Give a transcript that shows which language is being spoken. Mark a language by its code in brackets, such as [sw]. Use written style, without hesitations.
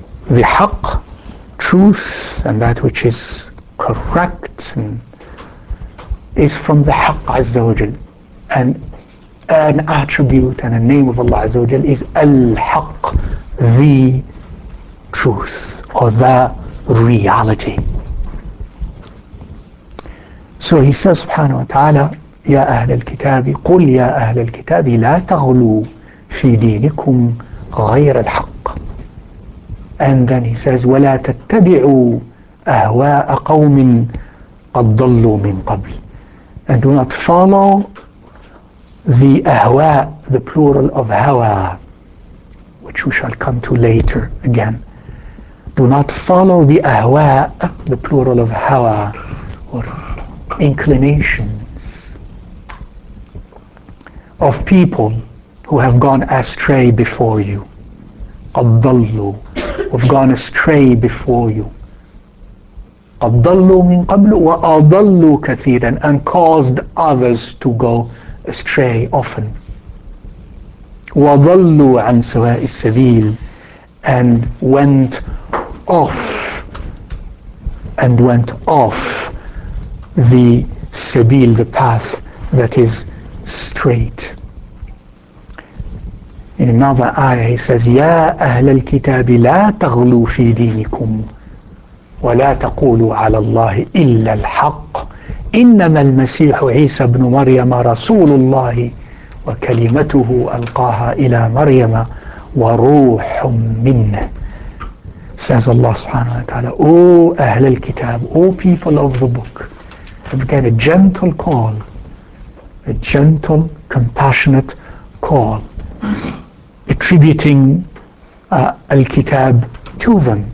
[en] The حق, truth, and that which is correct and is from the حق عز وجل. And an attribute and a name of Allah عز وجل is الحق, the truth or the reality. So he says subhanahu wa ta'ala, [ar] يا أهل الكتاب قل يا أهل الكتاب لا تغلوا في دينكم غير الحق. [en] And then he says [ar] ولا تتبعوا أهواء قوم قد ضلوا من قبل. [en] And do not follow the أهواء, the plural of هوى, which we shall come to later again. Do not follow the أهواء, the plural of هوى, or inclination, of people who have gone astray before you. قَدَّلُّوا, who have gone astray before you. [ar] قَدَّلُّوا مِنْ قَبْلُ وَأَضَلُّوا كَثِيرًا, [en] and caused others to go astray often. [ar] وَضَلُّوا عَنْ سَوَاءِ السَّبِيلِ, [en] and went off, and went off the sabil, the path that is straight. In another ayah he says, [ar] يَا أَهْلَ الْكِتَابِ لَا تَغْلُوا فِي دِينِكُمْ وَلَا تَقُولُوا عَلَى اللَّهِ إِلَّا الْحَقِّ إِنَّمَا الْمَسِيحُ عِيسَى بْنُ مَرْيَمَ رَسُولُ اللَّهِ وَكَلِمَتُهُ أَلْقَاهَا إِلَى مَرْيَمَ وَرُوحٌ مِّنَّهِ. [en] Says Allah subhanahu wa ta'ala, O Ahlul Kitab, O people of the book, I've got a gentle call a gentle, compassionate call, attributing al-kitab to them.